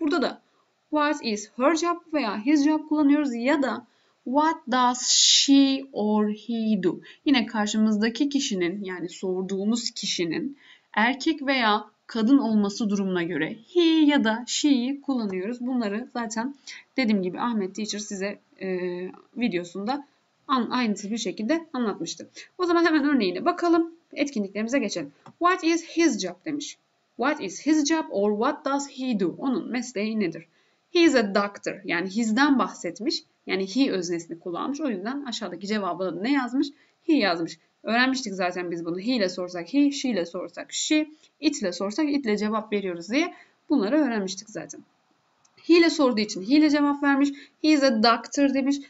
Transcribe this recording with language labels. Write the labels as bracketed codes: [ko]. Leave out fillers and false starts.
[tr] Burada da [en] what is her job [tr] veya [en] his job [tr] kullanıyoruz ya da [en] what does she or he do? [tr] Yine karşımızdaki kişinin yani sorduğumuz kişinin erkek veya kadın olması durumuna göre he ya da she'yi kullanıyoruz. Bunları zaten dediğim gibi Ahmet Teacher size videosunda aynı bir şekilde anlatmıştı. O zaman hemen örneğine bakalım. Etkinliklerimize geçelim. [en] What is his job [tr] demiş. [en] What is his job or what does he do? [tr] Onun mesleği nedir? [en] He is a doctor. [tr] Yani his'den bahsetmiş. Yani he öznesini kullanmış. O yüzden aşağıdaki cevabı da ne yazmış? He yazmış. Öğrenmiştik zaten biz bunu. He ile sorsak he, she ile sorsak she, it ile sorsak it ile cevap veriyoruz diye bunları öğrenmiştik zaten. He ile sorduğu için he ile cevap vermiş. [en] He is a doctor [tr] demiş.